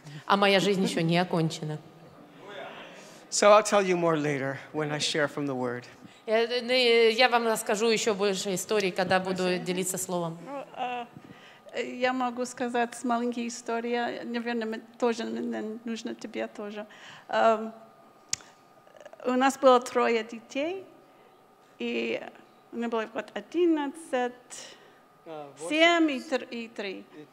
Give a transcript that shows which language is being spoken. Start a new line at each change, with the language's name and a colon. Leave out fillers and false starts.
Russian: А моя жизнь еще не окончена.
English: So I'll tell you more later when I share from the Word.
Russian: Я вам расскажу еще больше историй, когда буду делиться словом. Я могу сказать маленькую историю, наверное, тоже нужно тебе тоже. У нас было трое детей, и мне было вот 11, 7 и 3.